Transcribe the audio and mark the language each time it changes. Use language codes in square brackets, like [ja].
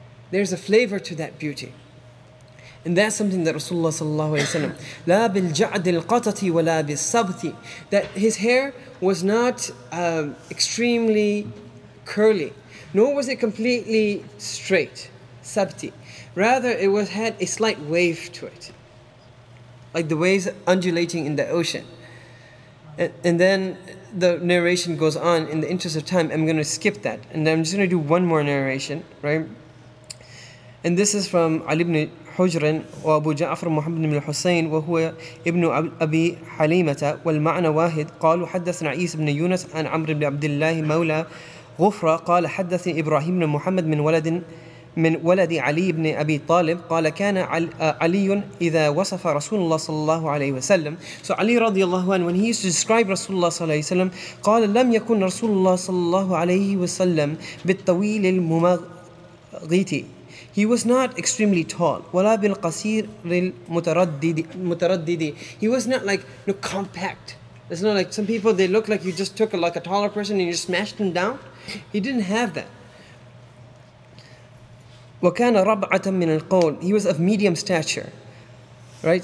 [en] There's a flavor to that beauty. And that's something that Rasulullah sallallahu alayhi wa sallam, [ar] لا بالجعد القطط ولا بالصبت, [en] that his hair was not extremely curly, nor was it completely straight, sabti. Rather, it was had a slight wave to it, like the waves undulating in the ocean. And then the narration goes on. In the interest of time, I'm going to skip that. And I'm just going to do one more narration, right? And this is from Ali ibn [ar] حجر وابو جعفر محمد بن الحسين وهو ابن ابي حليمه والمعنى واحد قالوا حدثنا عيسى بن يونس عن عمرو بن عبد الله مولى غفرة قال حدثني ابراهيم بن محمد من ولد علي بن ابي طالب قال كان علي اذا وصف رسول الله صلى الله عليه وسلم, [en] so Ali [ar] رضي الله عنه, [en] when he used to describe [ar] رسول الله صلى الله عليه وسلم, قال لم يكن رسول الله صلى الله عليه وسلم بالطويل الممغيتي, [en] he was not extremely tall. [ar] وَلَا بِالْقَصِيرِ الْمُتَرَدِّدِ, [en] he was not like, you know, compact. It's not like some people, they look like you just took like a taller person and you just smashed them down. He didn't have that. [ar] وَكَانَ رَبْعَةً مِنَ الْقَوْلِ, [en] he was of medium stature. Right?